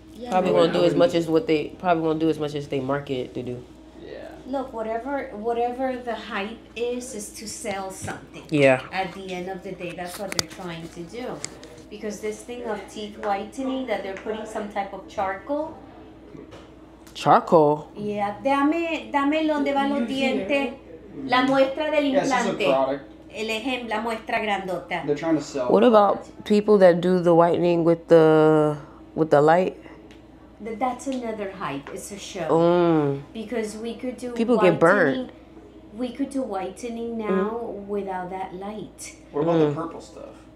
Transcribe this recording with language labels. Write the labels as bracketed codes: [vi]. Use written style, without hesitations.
[en] probably won't do as much as what they probably won't do as much as they market to do. Yeah. Look, whatever the hype is to sell something. Yeah. At the end of the day, that's what they're trying to do, because this thing of teeth whitening that they're putting some type of charcoal. Charcoal. [es] Yeah, dame donde van los dientes. La muestra del implante. El ejemplo, la muestra grandota. [en] They're trying to sell. What about people that do the whitening with the light? That's another hype. It's a show. Because we could do people get burned. We could do whitening now without that light. What about the purple stuff?